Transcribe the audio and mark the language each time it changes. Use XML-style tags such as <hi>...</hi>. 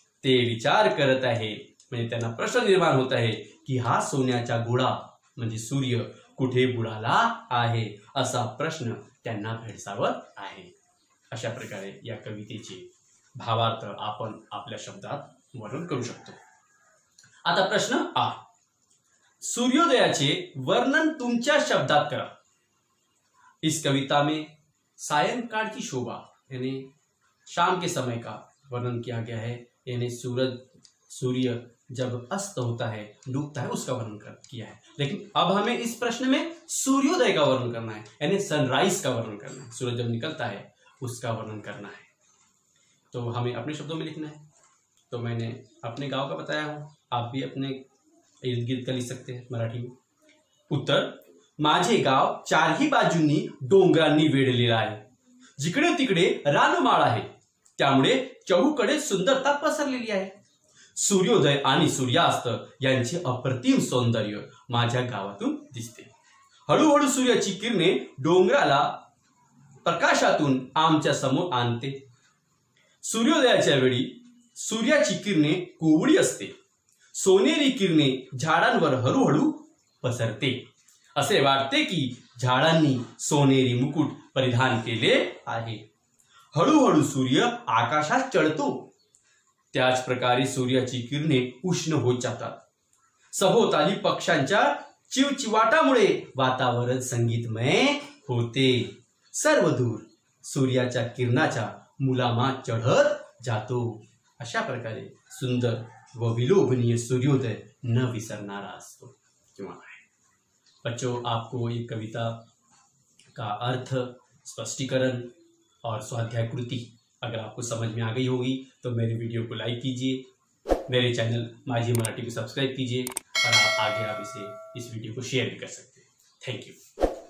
<mr>ते विचार करत आहे म्हणजे त्यांना प्रश्न निर्माण होत आहे की हा सोन्याचा गोळा म्हणजे सूर्य कुठे बुडाला आहे असा प्रश्न त्यांना भेडसावत आहे. अशा प्रकारे या कवितेचे भावार्थ आपण आपल्या शब्दात वर्णन करू शकतो. आता प्रश्न आ, सूर्योदयाचे वर्णन तुमच्या शब्दात करा.</mr> <hi>इस कविता में सायंकाळ की शोभा यानी शाम के समय का वर्णन किया गया है. यानी सूर्य जब अस्त होता है डूबता है उसका वर्णन किया है. लेकिन अब हमें इस प्रश्न में सूर्योदय का वर्णन करना है यानी सनराइज का वर्णन करना है. सूरज जब निकलता है उसका वर्णन करना है. तो हमें अपने शब्दों में लिखना है. तो मैंने अपने गाँव का बताया हूँ, आप भी अपने इर्द गिर्द का लिख सकते हैं मराठी में.</hi> <mr>उत्तर, माझे गाव चारही बाजूंनी डोंगरांनी वेढलेला आहे. जिकडे तिकडे रानमाळ आहे त्यामुळे चहूकडे सुंदरता पसरलेली आहे. सूर्योदय आणि सूर्यास्त यांचे अप्रतिम सौंदर्य माझ्या गावातून दिसते. हळूहळू सूर्याची किरणे डोंगराला प्रकाशातून आमच्या समोर आणते. सूर्योदयाच्या वेळी सूर्याची किरणे कोवळी असते. सोनेरी किरणे झाडांवर हळूहळू पसरते. असे वाटते की झाडांनी सोनेरी मुकुट परिधान केले आहे. हळूहळू सूर्य आकाशात चढतो. त्याच प्रकारे सूर्याची किरणे उष्ण होत जातात. सभोवताली पक्ष्यांच्या चिवचिवाटामुळे वातावरण संगीतमय होते. सर्व दूर सूर्याच्या किरणाचा मुलामा चढत जातो. अशा प्रकारे सुंदर व विलोभनीय सूर्योदय न विसरणारा असतो.</mr> <hi>किंवा बच्चों, आपको ये कविता का अर्थ, स्पष्टीकरण और स्वाध्याय कृति अगर आपको समझ में आ गई होगी तो मेरे वीडियो को लाइक कीजिए, मेरे चैनल माझी मराठी को सब्सक्राइब कीजिए और आप आगे आप इसे इस वीडियो को शेयर भी कर सकते हैं. Thank you.</hi>